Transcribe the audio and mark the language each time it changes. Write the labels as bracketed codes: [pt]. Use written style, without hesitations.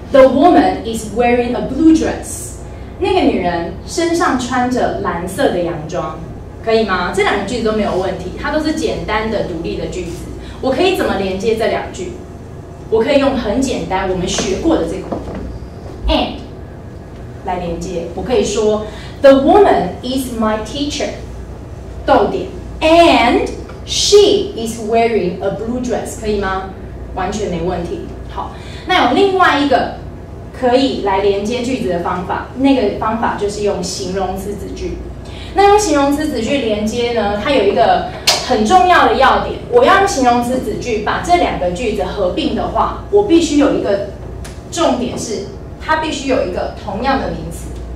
[en] The woman is wearing a blue dress， [zh] 那个女人身上穿着蓝色的洋装，可以吗？这两个句子都没有问题，它都是简单的独立的句子。我可以怎么连接这两句？我可以用很简单我们学过的这个 and 来连接。我可以说 [en] The woman is my teacher， [zh] 逗点， [en] and she is wearing a blue dress， [zh] 可以吗？完全没问题。好，那有另外一个可以来连接句子的方法，那个方法就是用形容词子句。那用形容词子句连接呢，它有一个很重要的要点，我要用形容词子句把这两个句子合并的话，我必须有一个重点是它必须有一个同样的名词。